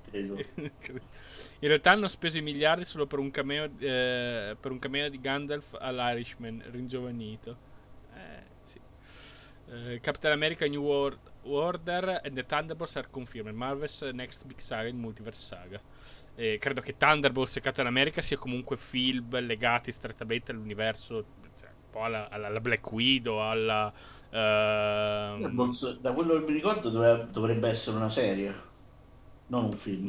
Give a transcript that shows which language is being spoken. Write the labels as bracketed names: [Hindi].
[Italian] In realtà hanno speso i miliardi solo per un cameo, di Gandalf all'Irishman, ringiovanito. Sì. [English] Captain America New World Order and the Thunderbolts are confirmed. Marvel's Next Big Saga in Multiverse Saga. [Italian] Credo che Thunderbolts e Captain America sia comunque film legati strettamente all'universo, cioè, un po' alla Black Widow, alla... Da quello che mi ricordo dovrebbe essere una serie, non un film.